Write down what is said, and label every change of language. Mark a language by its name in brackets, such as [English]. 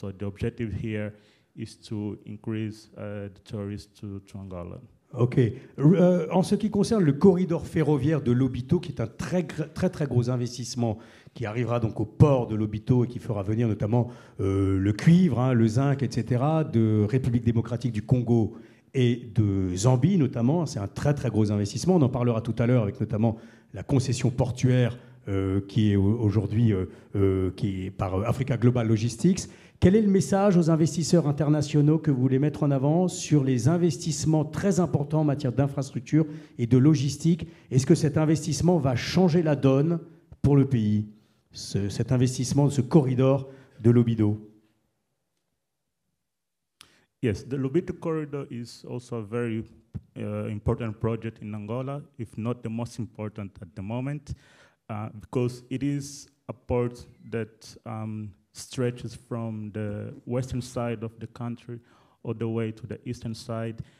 [English] So the objective here is to increase the tourists to Angola. OK. [French] En ce qui concerne le corridor ferroviaire de Lobito, qui est un très, très, très gros investissement qui arrivera donc au port de Lobito et qui fera venir notamment le cuivre, hein, le zinc, etc., de République démocratique du Congo et de Zambie notamment. C'est un très, très gros investissement. On en parlera tout à l'heure avec notamment la concession portuaire qui est aujourd'hui qui est par Africa Global Logistics. Quel est le message aux investisseurs internationaux que vous voulez mettre en avant sur les investissements très importants en matière d'infrastructure et de logistique? Est-ce que cet investissement va changer la donne pour le pays, cet investissement, ce corridor de Lobito? [English] Yes, the Lobito corridor is also a very important project in Angola, if not the most important at the moment. Because it is a port that stretches from the western side of the country all the way to the eastern side.